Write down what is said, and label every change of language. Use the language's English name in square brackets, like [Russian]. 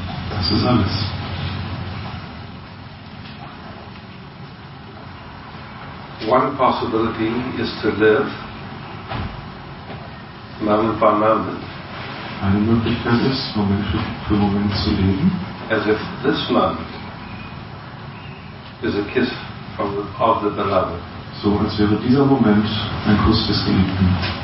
[German] Das ist alles. [English] One possibility is to live moment by moment. [German] Eine Möglichkeit ist, Moment für Moment zu leben. [English] As if this moment is a kiss from of the beloved. [German] So als wäre dieser Moment ein Kuss des Geliebten.